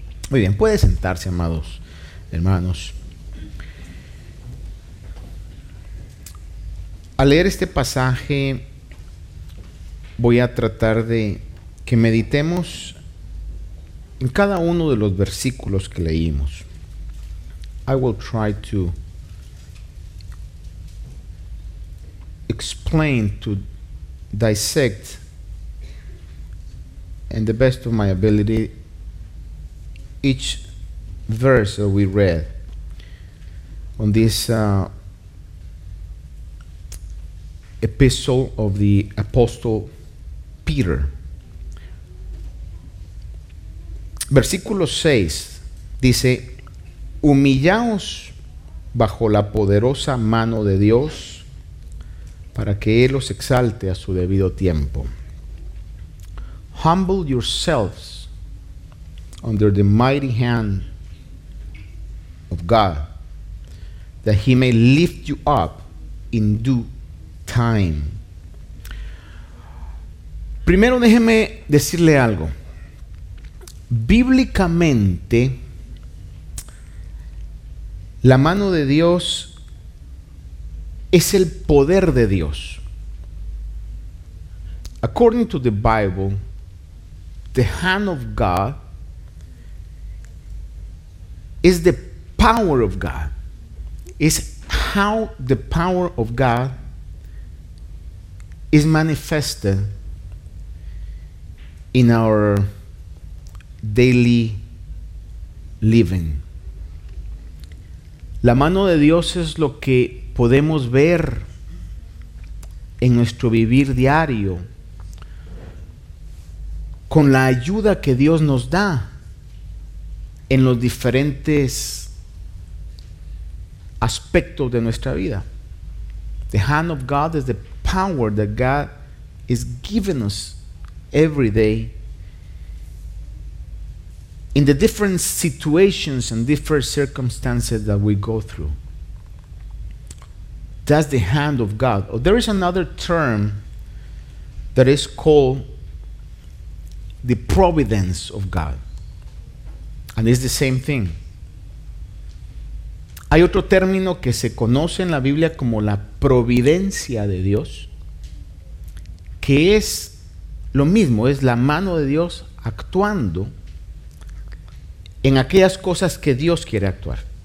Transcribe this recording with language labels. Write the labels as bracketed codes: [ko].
[es] Muy bien, puede sentarse, amados hermanos. Al leer este pasaje, voy a tratar de que meditemos en cada uno de los versículos que leímos. [en] I will try to explain, to dissect, in the best of my ability, each verse that we read on this epistle of the Apostle Peter. [es] Versículo 6 dice: humillaos bajo la poderosa mano de Dios, para que Él os exalte a su debido tiempo. [en] Humble yourselves under the mighty hand of God, that He may lift you up in due time. [es] Primero, déjeme decirle algo. Bíblicamente, la mano de Dios es el poder de Dios. [en] According to the Bible, the hand of God is the power of God. It's how the power of God is manifested in our daily living. [es] La mano de Dios es lo que podemos ver en nuestro vivir diario. con la ayuda que Dios nos da en los diferentes aspectos de nuestra vida. [en] The hand of God is the power that God is giving us every day in the different situations and different circumstances that we go through. That's the hand of God. Oh, there is another term that is called the providence of God. And it's the same thing. [es] Hay otro término que se conoce en la Biblia como la providencia de Dios, que es lo mismo, es la mano de Dios actuando en aquellas cosas que Dios quiere actuar.